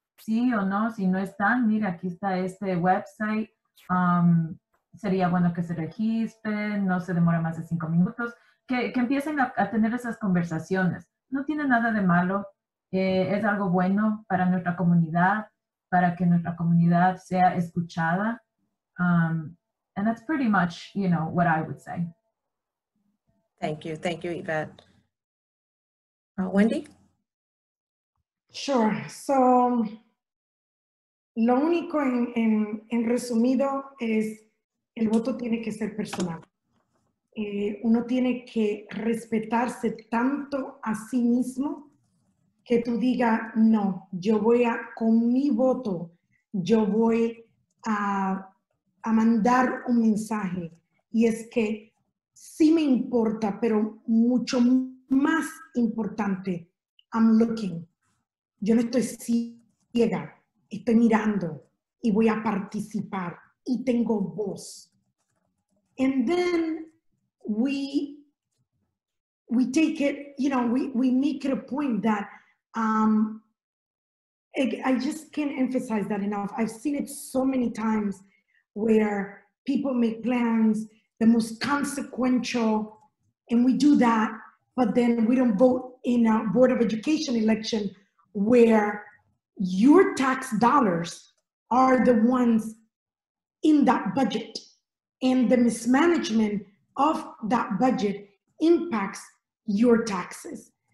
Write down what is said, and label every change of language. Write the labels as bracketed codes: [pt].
[es] Sí o no, si no están, mira, aquí está este website. Sería bueno que se registren, no se demora más de 5 minutos. Que empiecen a tener esas conversaciones. No tiene nada de malo. Es algo bueno para nuestra comunidad, para que nuestra comunidad sea escuchada. [en] And that's pretty much, you know, what I would say. Thank you, Yvette. Wendy? Sure. [es] So, lo único en resumido es el voto tiene que ser personal. Uno tiene que respetarse tanto a sí mismo que tú diga no, yo voy a, con mi voto, yo voy a mandar un mensaje. Y es que sí me importa, pero mucho más importante, [en] I'm looking. [es] Yo no estoy ciega, estoy mirando y voy a participar y tengo voz. [en] And then we take it, you know, we make it a point that I just can't emphasize that enough. I've seen it so many times where people make plans, the most consequential, and we do that, but then we don't vote in a Board of Education election where your tax dollars are the ones in that budget, and the mismanagement of that budget impacts your taxes.